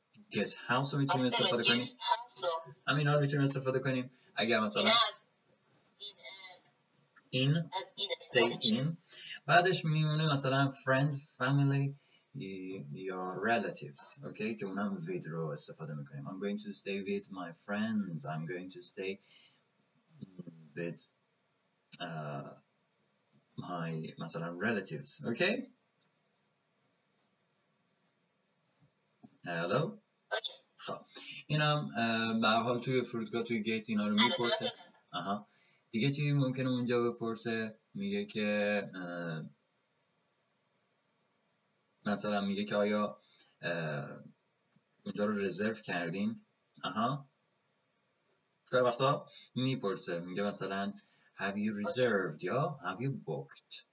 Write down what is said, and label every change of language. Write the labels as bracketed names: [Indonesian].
[Persian] پیس هاوس رو میتونیم استفاده کنیم. همین رو میتونیم استفاده کنیم. اگر مثلا این stay in بعدش میمونه مثلا friend, family یا relatives. اوکی که اونم with رو استفاده میکنیم. [English] I'm going to stay with my friends. I'm going to stay with my [Persian] مثلا [English] relatives. [Persian] اوکی هلو خب اینم به هر حال توی فرودگاه توی گیت اینا رو میپرسه. آها دیگه چی ممکنه اونجا بپرسه؟ میگه که مثلا میگه که آیا اونجا رو رزرو کردین؟ آها خیلی وقتا میپرسه میگه مثلا [English] have you reserved [Persian] یا [English] have you booked.